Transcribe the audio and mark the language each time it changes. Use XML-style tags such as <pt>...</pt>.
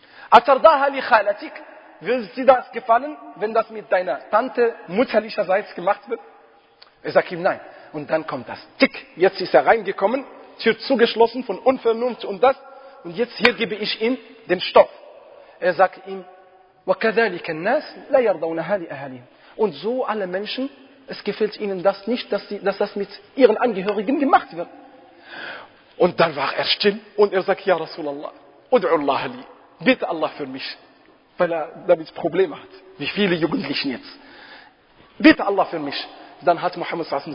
<ar>Atardaha li khalatik?</ar> <de>Würde dir das gefallen, wenn das mit deiner Tante mutterlicherseits gemacht wird? Er sagt ihm, nein. Und dann kommt das, tick, jetzt ist er reingekommen, Tür zugeschlossen von Unvernunft und das. Und jetzt hier gebe ich ihm den Stoff. Er sagt ihm,</de> <ar>وَكَذَلِكَ النَّاسِ لَا يَرْضَوْنَ هَالِ أَهَالِهِمْ.</ar> <de>Und so alle Menschen, es gefällt ihnen das nicht, dass das mit ihren Angehörigen gemacht wird. Und dann war er still und er sagt, ja Rasulallah,</de> <ar>ud'u Allah li,</ar> <de>bitte Allah für mich. weil er damit Probleme hat, wie viele Jugendlichen jetzt. Bitte Allah für mich. Dann hat Muhammad s.a.w.</de>